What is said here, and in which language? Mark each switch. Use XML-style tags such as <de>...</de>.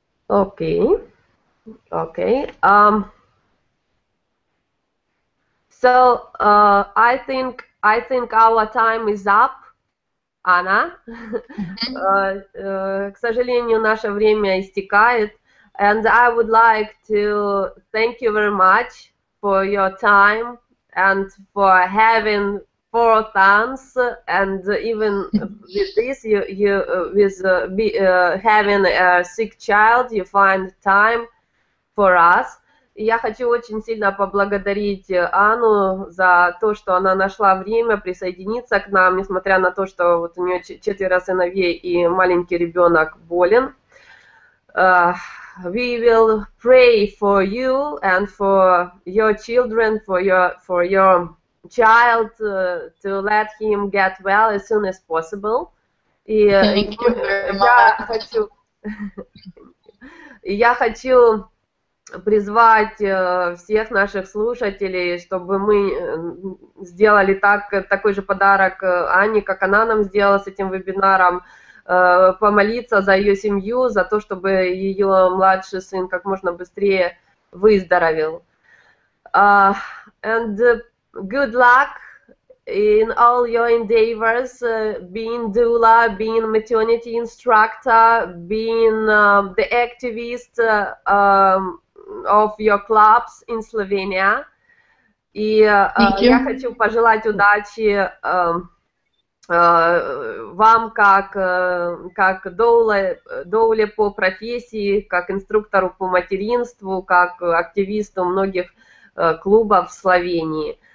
<en>Okay. I think our time is up.</en> <ru>Анна, к сожалению, наше время истекает.</ru> <en>And I would like to thank you very much for your time and for having four sons, and even with this, having a sick child, you find time for us.</en> <ru>Я хочу очень сильно поблагодарить Анну за то, что она нашла время присоединиться к нам, несмотря на то, что вот у нее четверо сыновей и маленький ребенок болен.</ru> <en>We will pray for you and for your children, for your child, to let him get well as soon as possible. Thank you very much.</en> <ru>Я хочу призвать всех наших слушателей, чтобы мы сделали такой же подарок Ане, как она нам сделала с этим вебинаром, помолиться за ее семью, за то, чтобы ее младший сын как можно быстрее выздоровел.</ru> <en>And good luck in all your endeavors, being doula, being maternity instructor, being the activist of your clubs in Slovenia.</en> <ru>И я хочу пожелать удачи вам как доуле по профессии, как инструктору по материнству, как активисту многих клубов в Словении.</ru>